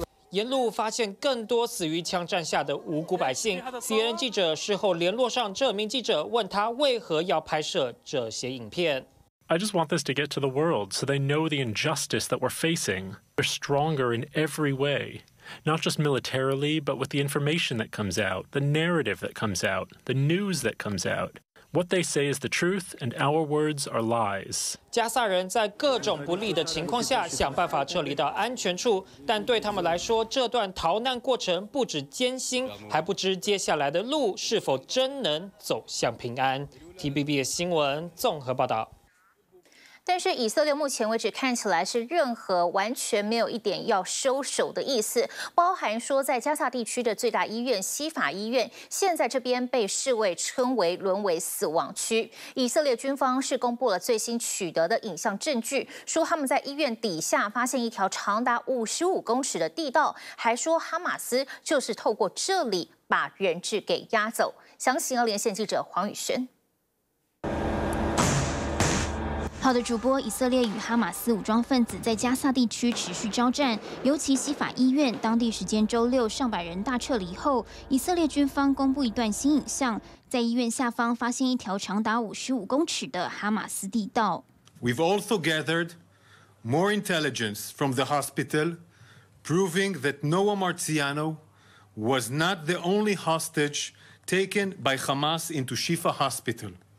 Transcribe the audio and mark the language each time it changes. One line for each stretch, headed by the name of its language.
Chinese: 沿路发现更多死于枪战下的无辜百姓。 CNN 记者事后联络上这名记者，问他为何要拍摄这些影片。
English: I just want this to get to the world so they know the injustice that we're facing. We're stronger in every way. Not just militarily, but with the information that comes out, the narrative that comes out, the news that comes out. What they say is the truth, and our words are lies.
Chinese: 加萨人在各种不利的情况下想办法撤离到安全处，但对他们来说，这段逃难过程不止艰辛，还不知接下来的路是否真能走向平安。 TBB 新闻综合报道。但是以色列目前为止看起来是任何完全没有一点要收手的意思，包含说在加萨地区的最大医院西法医院，现在这边被世卫称为沦为死亡区。以色列军方是公布了最新取得的影像证据，说他们在医院底下发现一条长达55公尺的地道，还说哈马斯就是透过这里把人质给押走。详情要连线记者黄宇轩。好的，主播，以色列与哈马斯武装分子在加萨地区持续交战，尤其西法医院，当地时间周六上百人大撤离后，以色列军方公布一段新影像，在医院下方发现一条长达55公尺的哈马斯地道。
English: We've also gathered more intelligence from the hospital, proving that Noah Marciano was not the only hostage taken by Hamas into Shifa Hospital.